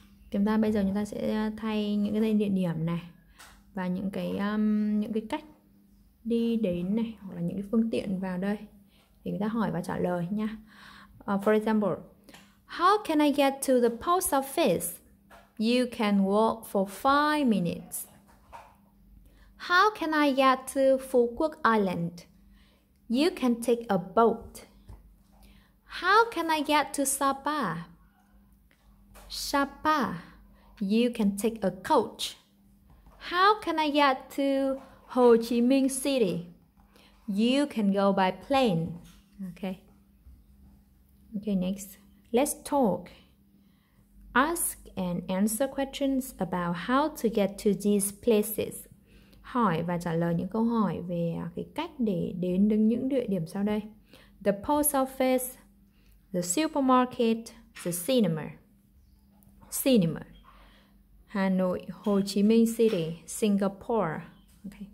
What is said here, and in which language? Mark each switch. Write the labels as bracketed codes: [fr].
[vi] Chúng ta bây giờ chúng ta sẽ thay những cái địa điểm này và những cái cách đi đến này, hoặc là những cái phương tiện vào đây để người ta hỏi và trả lời nha. [en] For example, how can I get to the post office? You can walk for 5 minutes. How can I get to Phú Quốc Island? You can take a boat. How can I get to Sapa? Sapa, you can take a coach. How can I get to Ho Chi Minh City? You can go by plane. Okay, next. Let's talk. Ask and answer questions about how to get to these places. [vi] Hỏi và trả lời những câu hỏi về cái cách để đến được những địa điểm sau đây. [en] The post office, the supermarket, the cinema. Cinema. Hà Nội, Hồ Chí Minh City, Singapore. Okay.